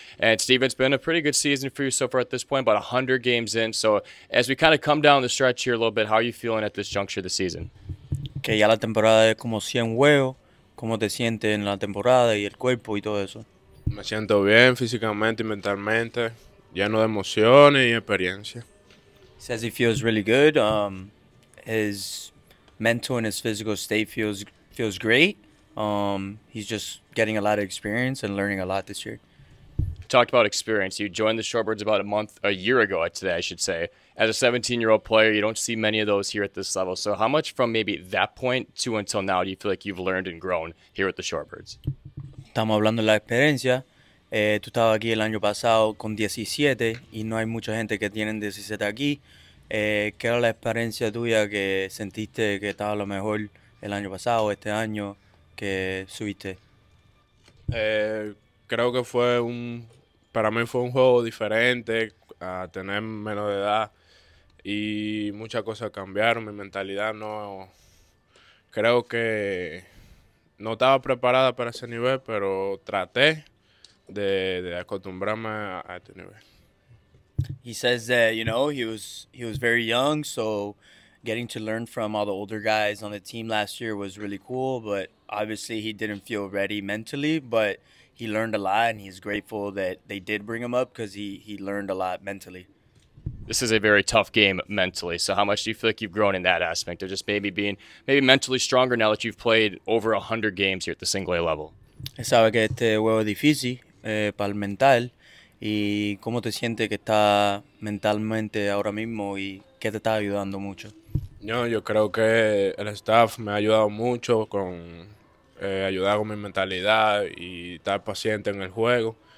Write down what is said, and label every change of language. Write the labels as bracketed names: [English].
[English] And Steven, it's been a pretty good season for you so far at this point, about 100 games in. So as we kind of come down the stretch here a little bit, how are you feeling at this juncture of the season? [Spanish] Que ya la temporada es como 100 juegos. ¿Cómo te sientes en la temporada y el cuerpo y todo eso? Me siento bien físicamente y mentalmente, lleno de emociones y experiencia. [English] He says he feels really good. His mental and his physical state feels great. He's just getting a lot of experience and learning a lot this year. Talked about experience. You joined the Shortbirds about a year ago today, I should say. As a 17-year-old player, you don't see many of those here at this level. So how much from maybe that point to until now do you feel like you've learned and grown here at the Shortbirds? [Spanish] Estamos hablando de la experiencia. Tú estabas aquí el año pasado con 17 y no hay mucha gente que tienen 17 aquí. ¿Qué era la experiencia tuya que sentiste que estaba lo mejor el año pasado, este año que subiste? Creo que fue para mí fue un juego diferente a tener menos de edad y muchas cosas cambiaron, mi mentalidad no, creo que no estaba preparada para ese nivel, pero traté de acostumbrarme a este nivel. [English] He says that, you know, he was very young, so getting to learn from all the older guys on the team last year was really cool, but obviously he didn't feel ready mentally, but he learned a lot, and he's grateful that they did bring him up because he learned a lot mentally. This is a very tough game mentally. So how much do you feel like you've grown in that aspect of just maybe being maybe mentally stronger now that you've played over 100 games here at the single A level? [Spanish] He sabe que este juego es difícil para el mental. ¿Y cómo te sientes que está mentalmente ahora mismo y qué te está ayudando mucho? Yo creo que el staff me ha ayudado mucho con ayudar con mi mentalidad y estar paciente en el juego.